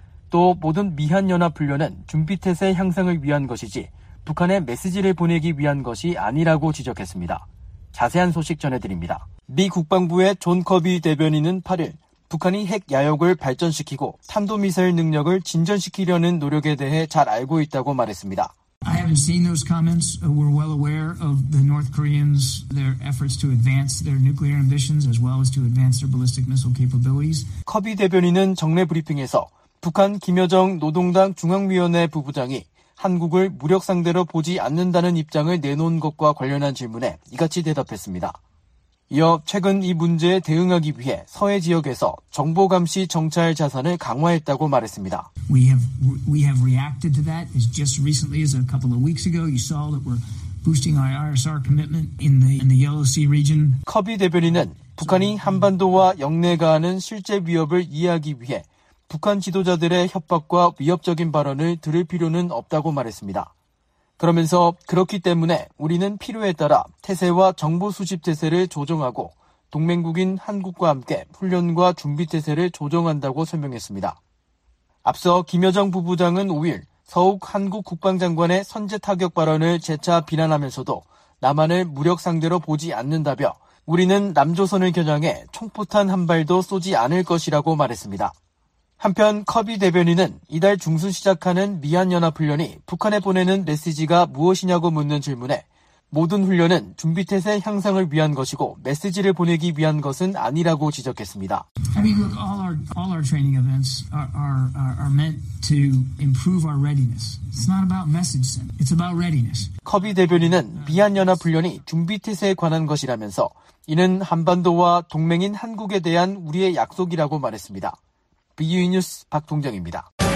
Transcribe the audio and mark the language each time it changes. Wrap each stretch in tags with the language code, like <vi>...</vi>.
<ko>또 모든 미한연합훈련은 준비태세 향상을 위한 것이지 북한의 메시지를 보내기 위한 것이 아니라고 지적했습니다. 자세한 소식 전해드립니다. 미 국방부의 존 커비 대변인은 8일 북한이 핵 야욕을 발전시키고 탄도미사일 능력을 진전시키려는 노력에 대해 잘 알고 있다고 말했습니다.</ko> <en>I haven't seen those comments. We're well aware of the North Koreans, their efforts to advance their nuclear ambitions as well as to advance their ballistic missile capabilities.</en> <ko>커비 대변인은 정례 브리핑에서 북한 김여정 노동당 중앙위원회 부부장이 한국을 무력 상대로 보지 않는다는 입장을 내놓은 것과 관련한 질문에 이같이 대답했습니다. 이어 최근 이 문제에 대응하기 위해 서해 지역에서 정보 감시 정찰 자산을 강화했다고 말했습니다.</ko> <en>We have reacted to that as just recently as a couple of weeks ago. You saw that we're boosting our ISR commitment in the Yellow Sea region.</en> <ko>커비 대변인은 북한이 한반도와 영내 가하는 실제 위협을 이해하기 위해 북한 지도자들의 협박과 위협적인 발언을 들을 필요는 없다고 말했습니다. 그러면서 그렇기 때문에 우리는 필요에 따라 태세와 정보 수집 태세를 조정하고 동맹국인 한국과 함께 훈련과 준비 태세를 조정한다고 설명했습니다. 앞서 김여정 부부장은 5일 서욱 한국 국방장관의 선제 타격 발언을 재차 비난하면서도 남한을 무력 상대로 보지 않는다며 우리는 남조선을 겨냥해 총포탄 한 발도 쏘지 않을 것이라고 말했습니다. 한편 커비 대변인은 이달 중순 시작하는 미한연합훈련이 북한에 보내는 메시지가 무엇이냐고 묻는 질문에 모든 훈련은 준비태세 향상을 위한 것이고 메시지를 보내기 위한 것은 아니라고 지적했습니다.</ko> <en>I mean, look, all our training events are meant to improve our readiness. It's not about message sending. It's about readiness.</en> <ko>커비 대변인은 미한연합훈련이 준비태세에 관한 것이라면서 이는 한반도와 동맹인 한국에 대한 우리의 약속이라고 말했습니다. BUE 뉴스 박동정입니다.</ko>